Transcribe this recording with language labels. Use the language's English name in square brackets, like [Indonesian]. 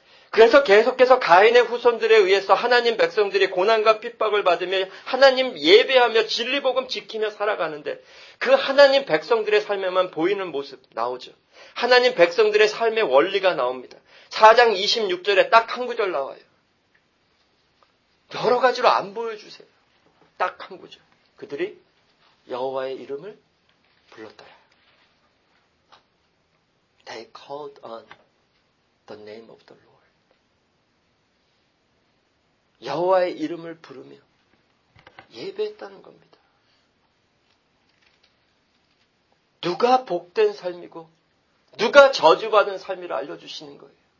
[Korean] 그래서 계속해서 가인의 후손들에 의해서 하나님 백성들이 고난과 핍박을 받으며 하나님 예배하며 진리복음 지키며 살아가는데 그 하나님 백성들의 삶에만 보이는 모습 나오죠. 하나님 백성들의 삶의 원리가 나옵니다. 4장 26절에 딱 한 구절 나와요. 여러 가지로 안 보여주세요. 딱 한 구절. 그들이 여호와의 이름을 불렀더라. [English] They called on the name of the Lord. [Korean] 여호와의 이름을 부르며 예배했다는 겁니다. 누가 복된 삶이고 누가 저주받은 삶이라 알려주시는 거예요.